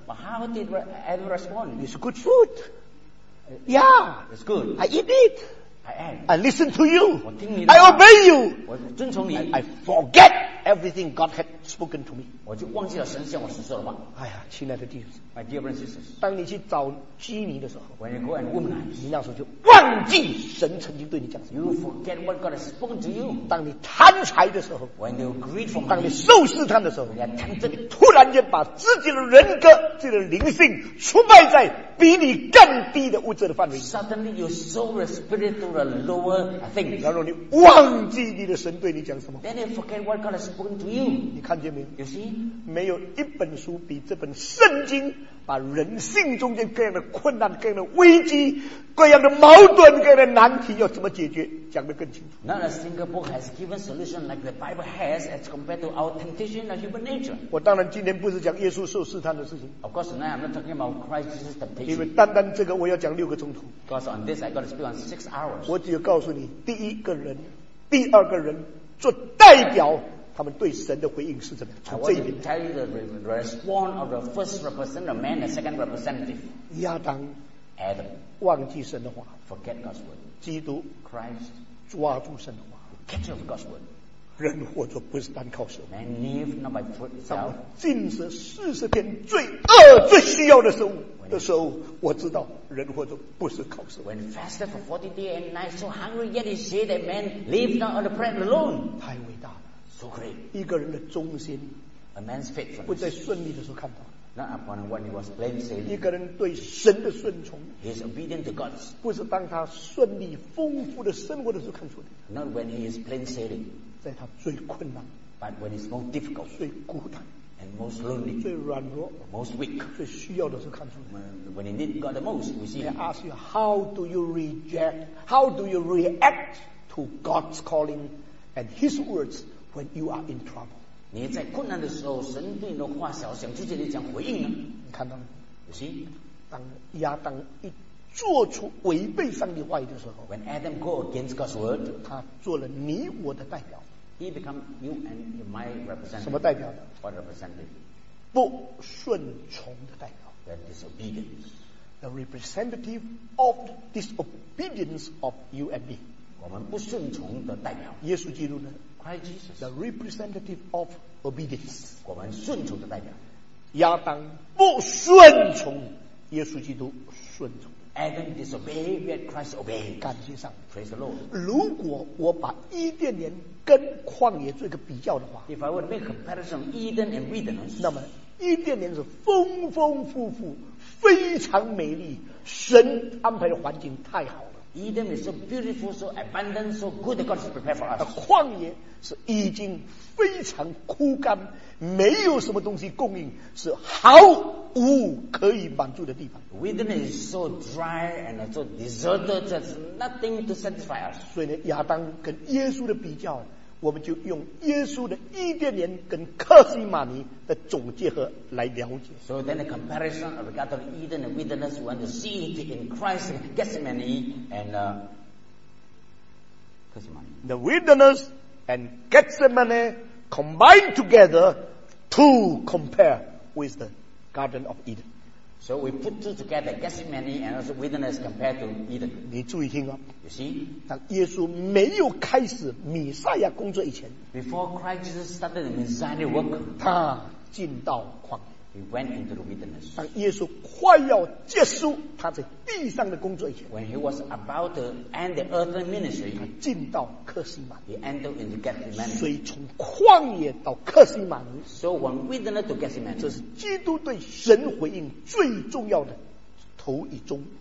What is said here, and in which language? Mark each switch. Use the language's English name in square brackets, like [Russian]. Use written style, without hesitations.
[English] ？But how did Adam respond? It's good food. Yeah, it's good. I eat it. I am. I listen to you. [Chinese] 我听你的。 [English] I obey you. [Chinese] 我遵从你。 [English] I forget everything God had spoken to me. [Chinese] 我就忘记了神向我所说的话。哎呀，亲爱的弟兄 [English] ，My dear brothers and sisters， [Chinese] 当你去找基尼的时候 [English] ，When you go and womanize， [Chinese] 你那时候就忘记神曾经对你讲什么。 [English] You forget what God has spoken to you。 [Chinese] 当你贪财的时候 [English] ，When you greed for money， [Chinese] 当你受试探的时候 [English] ，When you are tempted， [Chinese] 你突然间把自己的人格、自己的灵性出卖在比你更低的物质的范围。 [English] Suddenly you sold your spirit to the lower thing。 [Chinese] 然后你忘记你的神对你讲什么。 [English] Then you forget what God has spoken to you。 [Chinese] 你看见没有 [English] ？You see， [Chinese] 没有一本书比这本圣经。把人性中间各样的困难、各样的危机、各样的矛盾、各样的难题要怎么解决，讲得更清楚。 [English] Not a single book has given solution like the Bible has as compared to our temptation of human nature. [Chinese] 我当然今天不是讲耶稣受试探的事情。 [English] Of course, now I'm not talking about Christ's temptation. [Chinese] 因为单单这个我要讲六个钟头。 [English] Because on this, I got to speak on 6 hours. [Chinese] 我只有告诉你，第一个人、第二个人做代表。他们对神的回应是怎么样？从这一点 [English] I want to tell you the response of the first representative man and second representative. [Chinese] 亚当 [English] Adam [Chinese] 忘记神的话 [English] Forget God's word. [Chinese] 基督 [English] Christ [Chinese] 抓住神的话 [English] Catch up God's word. [Chinese] 人活着不是单靠食物 [English] Man live not by food itself. [Chinese] 当我禁食40天最饿最需要的时候的时候我知道人活着不是靠食物 [English] When fasted for 40 days and nights so hungry yet he said that man live not on the bread alone. [Chinese] 太伟大了 [English] So great. [Chinese] 一个人的忠心 [English] a man's faithfulness. [Chinese] 不在顺利的时候看到 [English] Not upon when he was plain sailing. [Chinese] 一个人对神的顺从 [English] He's obedient to God. [Chinese] 不是当他顺利丰富的生活的时候看出来 [English] Not when he is plain sailing. [Chinese] 在他最困难 [English] But when he's most difficult. [Chinese] 最孤单 [English] And most lonely. [Chinese] 最软弱 [English] Most weak. [Chinese] 最需要的时候看出来 [English] When he need God the most, we see him. I ask you, how do you reject, how do you react to God's calling and his words? When you are in trouble, [Chinese] 你在困难的时候，神对你的话想直接的讲回应呢？你看到吗？你看，当亚当一做出违背上帝话语的时候 [English] ，When Adam go against God's word, [Chinese] 他做了你我的代表 [English] ，He become you and my representative. [Chinese] 什么代表的 [English] ？What representative? [Chinese] 不顺从的代表 [English] ，The disobedience. The representative of the disobedience of you and me. [Chinese] 我们不顺从的代表，耶稣基督呢？ [English] Jesus, the representative of obedience， [Chinese] 我们顺从的代表。亚当不顺从，耶稣基督顺从。 [English] Adam disobeyed, yet Christ obeyed。 [Chinese] 感谢上 [English] ，Praise the Lord。 [Chinese] 如果我把伊甸园跟旷野做一个比较的话 [English] ，If I would make comparison Eden and wilderness， [Chinese] 那么伊甸园是丰丰富富，非常美丽，神安排的环境太好了。 [English] Eden is so beautiful, so abundant, so good that God has prepared for us. [Chinese] 旷野是已经非常枯干，没有什么东西供应，是毫无可以满足的地方。 [English] Wilderness is so dry and so deserted, there's nothing to satisfy us. [Chinese] 所以呢，亚当跟耶稣的比较，我们就用耶稣的伊甸园跟克西马尼的总结合来了解。 [English] So then the comparison of regard to Eden and wilderness, we want to see it in Christ, Gethsemane and Gethsemane. The wilderness and Gethsemane combined together to compare with the Garden of Eden. So we put two together, Gethsemane and also wilderness compared to Eden. [Chinese] 你注意听啊。 [English] You see, [Chinese] 当耶稣没有开始弥赛亚工作以前 [English] ，Before Christ started the Messiah work， [Chinese] 他进到旷野。 [English] He went into the wilderness. [Chinese] 当耶稣快要结束他在地上的工作以前 [English] ，When he was about to end the earthly ministry, [Chinese] 他进到客西马尼。 [English] He entered into Gethsemane. [Chinese] 所以从旷野到客西马尼。 [English] So from wilderness to Gethsemane. [Chinese] 这是基督对神回应最重要的头一钟。